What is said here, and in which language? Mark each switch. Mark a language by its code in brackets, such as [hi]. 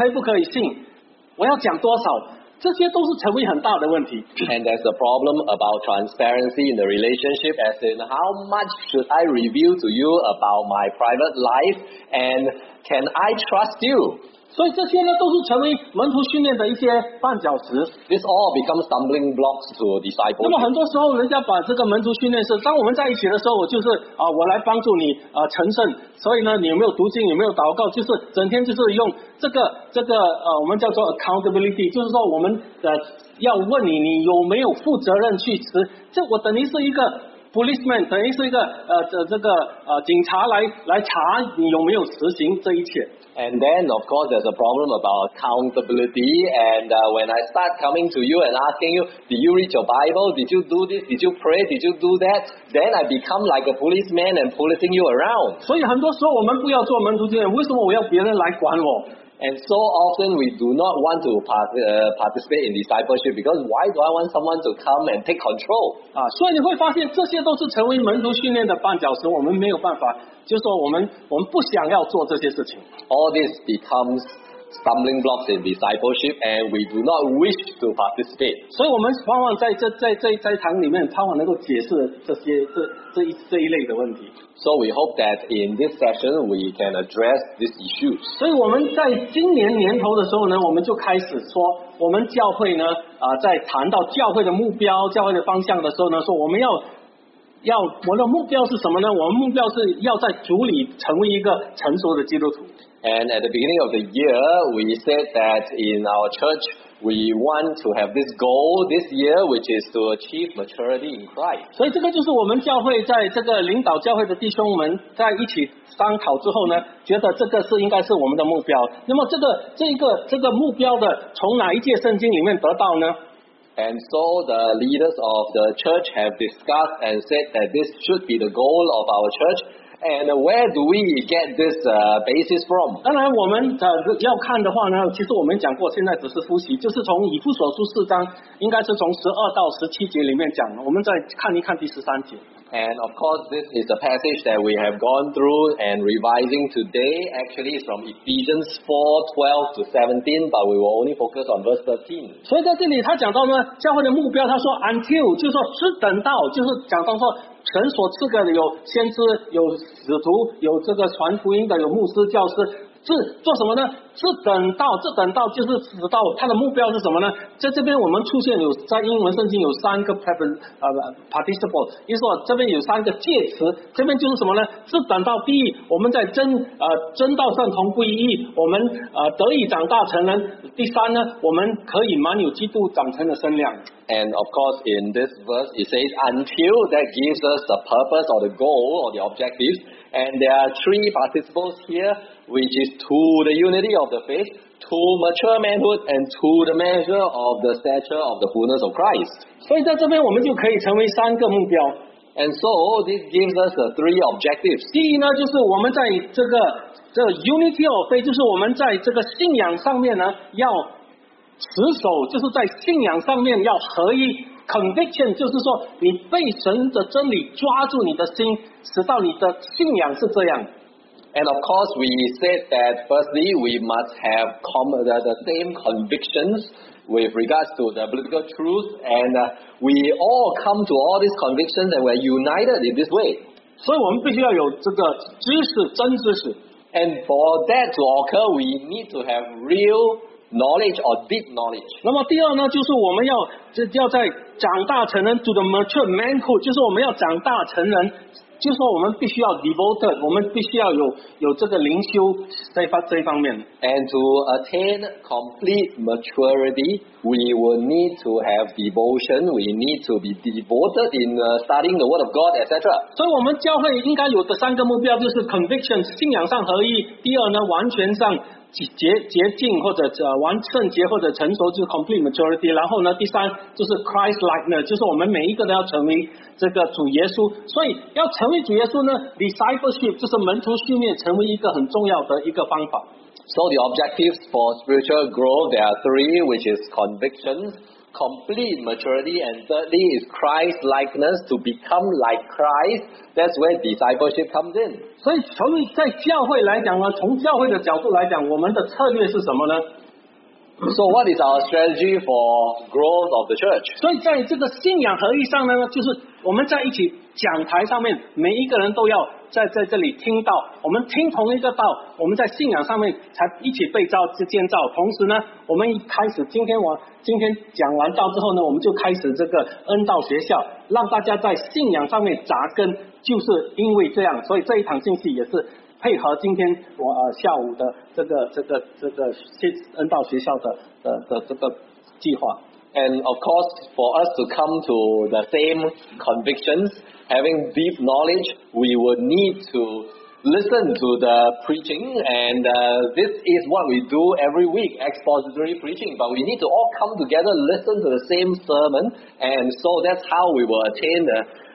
[zh] 而且呢，通常你就算有一个人跟你在一起做门徒训练之后，你会发现很多时候，我们的透明度，就是说我们的生活要多透明，我要跟你讲我的私人的问题吗？你可以不可以信？我要讲多少？这些都是成为很大的问题。 [en] And there's a problem about transparency in the relationship, as in how much should I reveal to you about my private life, and can I trust you? [zh] 所以这些呢，都是成为门徒训练的一些绊脚石。 [en] This all becomes stumbling blocks to discipleship. [zh] 那么很多时候，人家把这个门徒训练是，当我们在一起的时候，我就是我来帮助你成圣。所以呢，你有没有读经，有没有祷告，就是整天就是用这个我们叫做 accountability， 就是说我们要问你有没有负责任去持，这我等于是一个 policeman， 等于是一个警察来查你有没有执行这一切。 [en] And then, of course, there's a problem about accountability. And when I start coming to you and asking you, did you read your Bible? Did you do this? Did you pray? Did you do that? Then I become like a policeman and policing you around. [zh] 所以很多时候我们不要做门徒训练，为什么我要别人来管我？ [en] And so often we do not want to participate in discipleship because why do I want someone to come and take control? [zh] 所以你会发现这些都是成为门徒训练的绊脚石，我们没有办法，就是说我们不想要做这些事情。 [en] All this becomes stumbling blocks in discipleship, and we do not wish to participate. [zh] 所以我们往往在堂里面，盼望能够解释这一类的问题。 [en] So we hope that in this session we can address these issues. [zh] 所以我们在今年年头的时候呢，我们就开始说，我们教会呢，在谈到教会的目标、教会的方向的时候呢，说我们要我的目标是什么呢？我们目标是要在主里成为一个成熟的基督徒。 [en] And at the beginning of the year, we said that in our church, we want to have this goal this year, which is to achieve maturity in Christ. [zh] 所以这个就是我们教会在这个领导教会的弟兄们在一起商讨之后呢，觉得这个是应该是我们的目标。那么这个目标的从哪一届圣经里面得到呢？ [en] And so the leaders of the church have discussed and said that this should be the goal of our church. And where do we get this basis from? [zh] 当然我们要看的话呢，其实我们讲过，现在只是复习，就是从以弗所书四章，应该是从12-17节里面讲，我们再看一看第13节。 [en] And of course, this is a passage that we have gone through and revising today. Actually, it's from Ephesians 4:12-17, but we will only focus on verse 13. [zh] 所以在这里他讲到呢，教会的目标，他说 until 就是说是等到，就是讲到说神所赐给的有先知、有使徒、有这个传福音的、有牧师、教师，是做什么呢？是等到，这等到就是直到他的目标是什么呢？在这边我们出现有在英文圣经有三个 participle， 意思说这边有三个介词，这边就是什么呢？是等到第一，我们在真道上同归一，我们得以长大成人；第三呢，我们可以满有基督长成的身量。 [en] And of course, in this verse, it says until that gives us the purpose or the goal or the objectives. And there are three participles here. Which is to the unity of the faith, to mature manhood, and to the measure of the stature of the fullness of Christ. [zh] 所以在这边我们就可以成为三个目标。 [en] And so this gives us the three objectives. [zh] 第一呢，就是我们在这个 [en] unity of faith， [zh] 就是我们在这个信仰上面呢要持守，就是在信仰上面要合一。 Conviction 就是说你被神的真理抓住你的心，使到你的信仰是这样。 [en] And of course, we said that firstly, we must have the same convictions with regards to the biblical truth, and we all come to all these convictions and we're united in this way. [zh] 所以我们必须要有这个知识，真知识。 [en] And for that to occur, we need to have real knowledge or deep knowledge. [zh] 那么第二呢，就是我们要在长大成人 [en] to the mature manhood, [zh] 就是我们要长大成人。就是说我们必须要 devoted， 我们必须要有这个灵修这一方面。 [en] And to attain complete maturity, we will need to have devotion, we need to be devoted in studying the word of God, etc. [zh] 所以我们教会应该有的三个目标就是 conviction， 信仰上合一，第二呢，完全上洁净或者完圣洁或者成熟，就是 [en] complete maturity。 [zh] 然后呢，第三就是 Christ likeness， 就是我们每一个人要成为这个主耶稣。所以要成为主耶稣呢 ，discipleship 就是门徒训练，成为一个很重要的一个方法。 [en] So the objectives for spiritual growth there are three, which is convictions, complete maturity, and thirdly is Christ likeness to become like Christ. That's where discipleship comes in. [zh] 所以从在教会来讲呢，从教会的角度来讲，我们的策略是什么呢？ [en] So what is our strategy for growth of the church? [zh] 所以在这个信仰合一上呢，就是我们在一起讲台上面，每一个人都要在这里听到，我们听同一个道，我们在信仰上面才一起被造建造。同时呢，我们一开始今天讲完道之后呢，我们就开始这个恩道学校，让大家在信仰上面扎根。就是因为这样，所以这一堂信息也是配合今天我下午的这个恩道学校的这个计划。 [en] And of course, for us to come to the same convictions, having deep knowledge, we would need to listen to the preaching, and this is what we do every week, expository preaching. But we need to all come together, listen to the same sermon, and so that's how we will attain the.